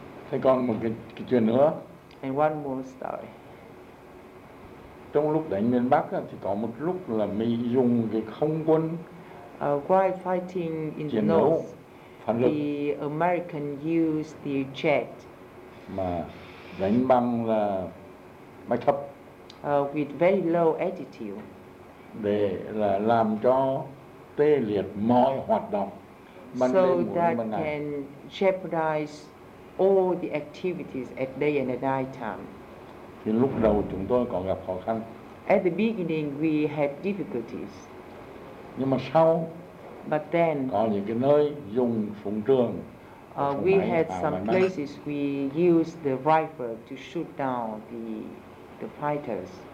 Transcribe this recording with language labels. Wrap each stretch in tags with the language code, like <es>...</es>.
<vi>Thế còn một cái chuyện nữa.</vi> <en>And one more story.</en> <vi>Trong lúc đánh miền Bắc thì có một lúc là Mỹ dùng cái không quân.</vi> <en>While fighting in the north, the American used the jet.</en> <vi>Mà đánh băng là máy thấp.</vi> <en>With very low altitude.</en> <vi>Để là làm cho tê liệt mọi hoạt động.</vi> <en>So that can jeopardize all the activities at day and at night time.</en> <vi>Thì lúc đầu chúng tôi còn gặp khó khăn.</vi> <en>At the beginning, we had difficulties.</en> <vi>Nhưng mà sau,</vi> <en>but then,</en> <vi>có những cái nơi dùng súng trường,</vi> <en>we had some places we used the rifle to shoot down the fighters.</en>